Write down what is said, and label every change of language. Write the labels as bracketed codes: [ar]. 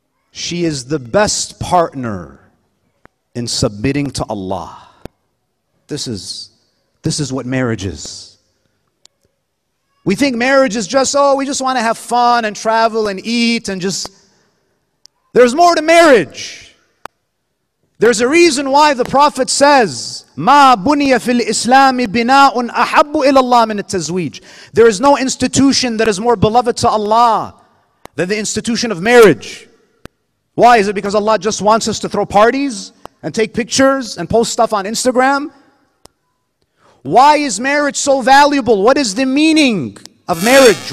[en] She is the best partner in submitting to Allah. This is what marriage is. We think marriage is just, oh, we just want to have fun and travel and eat and just... There's more to marriage. There's a reason why the Prophet says, [ar] مَا بُنِيَ فِي الْإِسْلَامِ بِنَاءٌ أَحَبُّ إِلَى اللَّهِ مِنَ التَّزْوِيجِ. [en] There is no institution that is more beloved to Allah than the institution of marriage. Why? Is it because Allah just wants us to throw parties and take pictures and post stuff on Instagram? Why is marriage so valuable? What is the meaning of marriage?